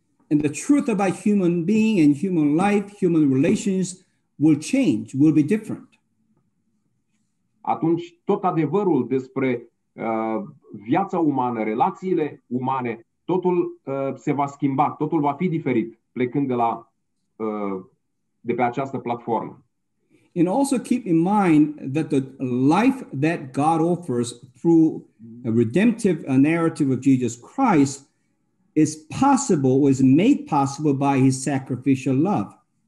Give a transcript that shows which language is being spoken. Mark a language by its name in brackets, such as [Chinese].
[English] And the truth about human being and human life, human relations will change, will be different. [Romanian] Atunci tot adevărul despre viața umană, relațiile umane, totul se va schimba, totul va fi diferit plecând de la de pe această platformă. [English] And also keep in mind that the life that God offers through a redemptive narrative of Jesus Christ is possible, or is made possible by his sacrificial love.